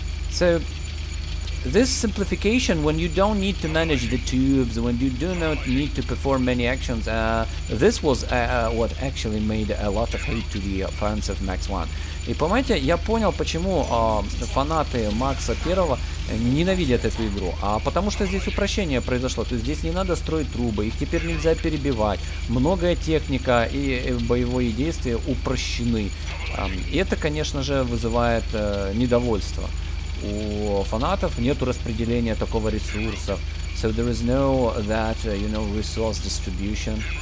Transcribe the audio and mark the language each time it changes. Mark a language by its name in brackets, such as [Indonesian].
[English] So, this simplification, when you don't need to manage the tubes, when you do not need to perform many actions, this was what actually made a lot of hate to the fans of Max 1. [Russian] И понимаете, я понял, почему фанаты Макса первого ненавидят эту игру. А потому что здесь упрощение произошло. То есть здесь не надо строить трубы, их теперь нельзя перебивать. Многое техника и боевые действия упрощены. И это, конечно же, вызывает недовольство. У фанатов нету распределения такого ресурса. [English] So there is no that, you know, resource distribution.